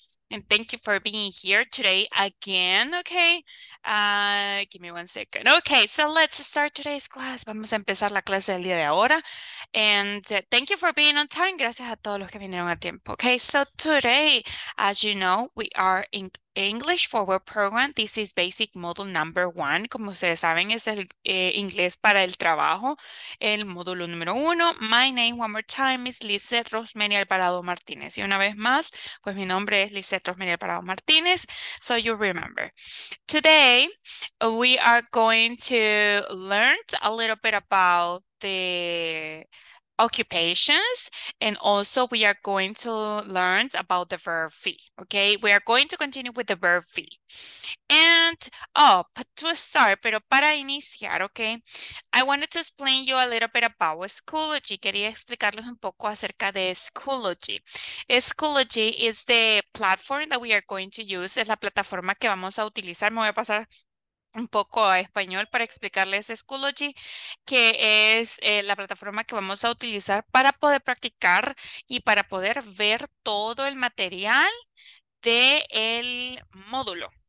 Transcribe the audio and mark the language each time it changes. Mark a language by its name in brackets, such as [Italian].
[English] And thank you for being here today again, okay? Give me 1 second. Okay, so let's start today's class. [Spanish] Vamos a empezar la clase del día de ahora. [English] And thank you for being on time. [Spanish] Gracias a todos los que vinieron a tiempo. [English] Okay, so today, as you know, we are in English Forward Program. This is basic module number one. [Spanish] Como ustedes saben, es el inglés para el trabajo. El módulo número uno. [English] My name one more time is [Spanish] Lizeth Rosemary Alvarado Martínez. Y una vez más, pues mi nombre es Lizeth Rosemary Alvarado Martínez. [English] So you remember. Today, we are going to learn a little bit about the occupations, and also we are going to learn about the verb fee. Okay, we are going to continue with the verb fee. And oh, to start, [Spanish] pero para iniciar, [English] okay, I wanted to explain you a little bit about Schoology. [Spanish] Quería explicarles un poco acerca de Schoology. [English] Schoology is the platform that we are going to use. [Spanish] Es la plataforma que vamos a utilizar. Me voy a pasar un poco a español para explicarles Schoology, que es la plataforma que vamos a utilizar para poder practicar y para poder ver todo el material del módulo.